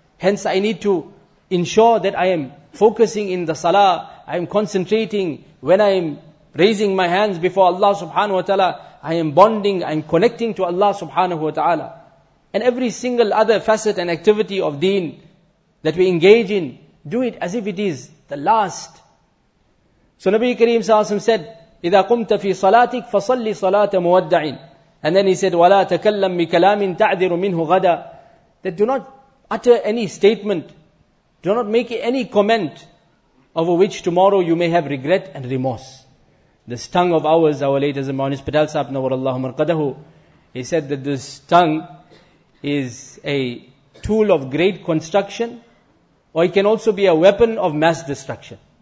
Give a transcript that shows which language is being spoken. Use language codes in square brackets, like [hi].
[en] Hence I need to ensure that I am focusing in the salah, I am concentrating when I am raising my hands before Allah subhanahu wa ta'ala, I am bonding, I am connecting to Allah subhanahu wa ta'ala. And every single other facet and activity of deen that we engage in, do it as if it is the last. [ar] So Nabi Kareem sallallahu alayhi wa sallam said, إِذَا قُمْتَ فِي صَلَاتِكْ فَصَلِّ صَلَاتَ مُوَدَّعٍ. [en] And then he said, [ar] وَلَا تَكَلَّمْ مِكَلَامٍ تَعْذِرُ مِنْهُ غَدًا. [en] That do not utter any statement, do not make any comment over which tomorrow you may have regret and remorse. This tongue of ours, our late Hazrat Maulana Patel Sahib Nawarallahu Marqadahu, he said that this tongue is a tool of great construction, or it can also be a weapon of mass destruction.